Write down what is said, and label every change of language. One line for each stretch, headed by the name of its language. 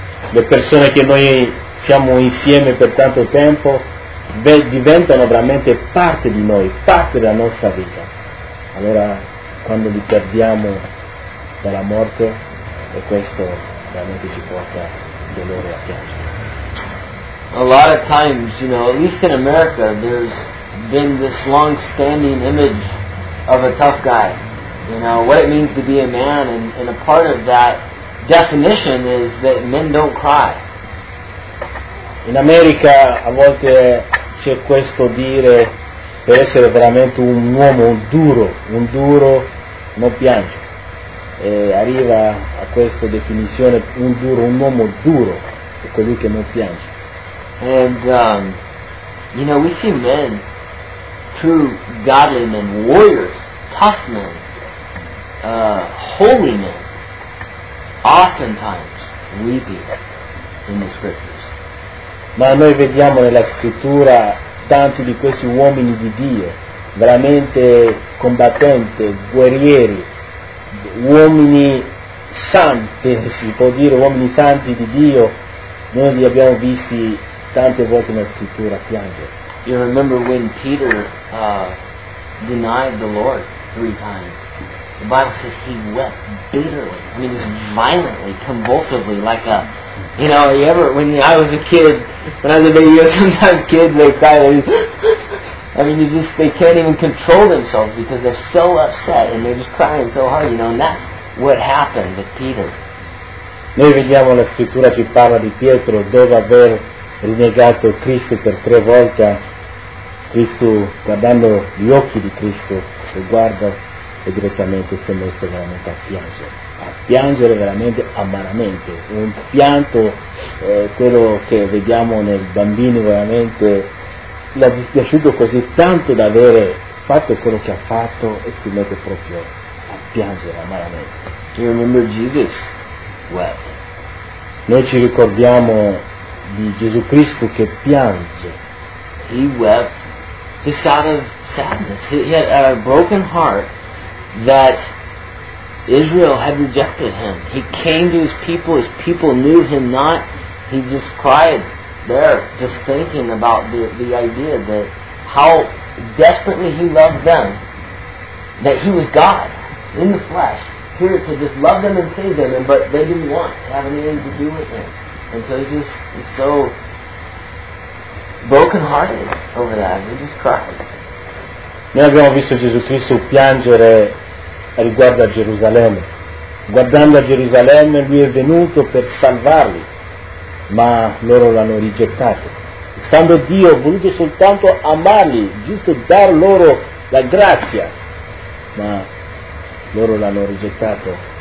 Italian: Le persone che noi siamo insieme per tanto tempo diventano veramente parte di noi, parte della nostra vita. Allora, quando li perdiamo dalla morte, e questo veramente ci porta dolore a piangere.
English: A lot of times, you know, at least in America, there's been this long-standing image of a tough guy. You know, what it means to be a man, and a part of that definition is that men don't cry.
Italian: In America, a volte c'è questo dire per essere veramente un uomo un duro, non piange, e arriva a questa definizione un uomo duro è colui che non piange.
English: And you know, we see men true godly men, warriors, tough men, holy men, oftentimes weeping in the scriptures.
Italian: Ma noi vediamo nella scrittura tanti di questi uomini di Dio, veramente combattenti, guerrieri, uomini santi, si può dire uomini santi di Dio, noi li abbiamo visti tante volte nella scrittura piangere.
English: You remember when Peter denied the Lord three times? The Bible says he wept bitterly. I mean, just violently, convulsively, like a, you know, you ever, when I was a kid, when I was a baby, you know, sometimes kids, they cry, they just, I mean, you just, they can't even control themselves because they're so upset and they're just crying so hard, you know, and that's what happened with Peter.
Italian: Noi vediamo la scrittura che parla di Pietro, dove aver rinnegato Cristo per tre volte, Cristo guardando gli occhi di Cristo e guarda e direttamente si è messo veramente a piangere veramente amaramente, un pianto quello che vediamo nel bambino veramente l'ha dispiaciuto così tanto da avere fatto quello che ha fatto e si mette proprio a piangere amaramente.
English: Do you remember Jesus wept?
Italian: Noi ci ricordiamo di Gesù Cristo che piange.
English: He wept just out of sadness. He had a broken heart that Israel had rejected him. He came to his people knew him not. He just cried there, just thinking about the idea that how desperately he loved them, that he was God in the flesh, here to just love them and save them, but they didn't want to have anything to do with him. And so he just was so brokenhearted over that. He just cried.
Italian: Noi abbiamo visto Gesù Cristo piangere riguardo a Gerusalemme. Guardando a Gerusalemme, lui è venuto per salvarli, ma loro l'hanno rigettato. Stando Dio, ha voluto soltanto amarli, giusto dar loro la grazia, ma loro l'hanno rigettato.